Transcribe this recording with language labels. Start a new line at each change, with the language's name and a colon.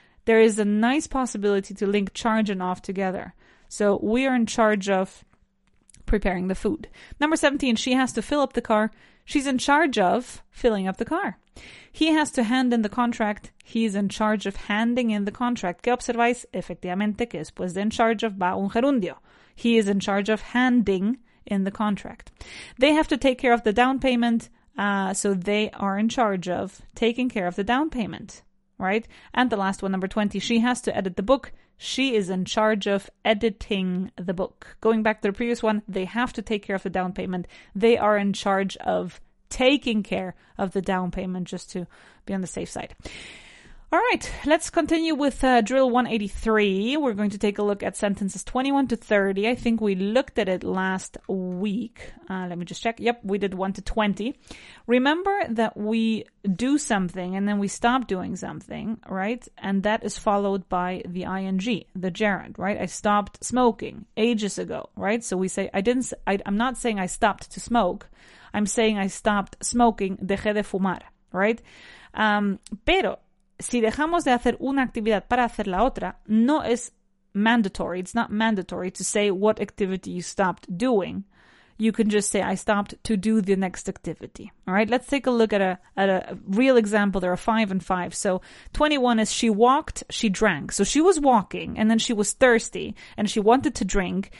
English: There is a nice possibility to link charge and off together. So we are in charge of preparing the food. Number 17, she has to fill up the car. She's in charge of filling up the car. He has to hand in the contract. He's in charge of handing in the contract.
Spanish: ¿Qué observáis? Efectivamente, que después de en charge of va un gerundio.
English: He is in charge of handing in the contract. They have to take care of the down payment. So they are in charge of taking care of the down payment, right? And the last one, number 20, she has to edit the book. She is in charge of editing the book. Going back to the previous one, they have to take care of the down payment. They are in charge of taking care of the down payment, just to be on the safe side. All right, let's continue with drill 183. We're going to take a look at sentences 21 to 30. I think we looked at it last week. Let me just check. Yep, we did 1 to 20. Remember that we do something and then we stop doing something, right? And that is followed by the ing, the gerund, right? I stopped smoking ages ago, right? So we say, I'm not saying I stopped to smoke. I'm saying I stopped smoking,
Spanish: dejé de fumar,
English: right?
Spanish: Pero si dejamos de hacer una actividad para hacer la otra, no es mandatory.
English: It's not mandatory to say what activity you stopped doing. You can just say, I stopped to do the next activity. All right, let's take a look at a real example. There are 5 and 5. So 21 is she walked, she drank. So she was walking and then she was thirsty and she wanted to drink.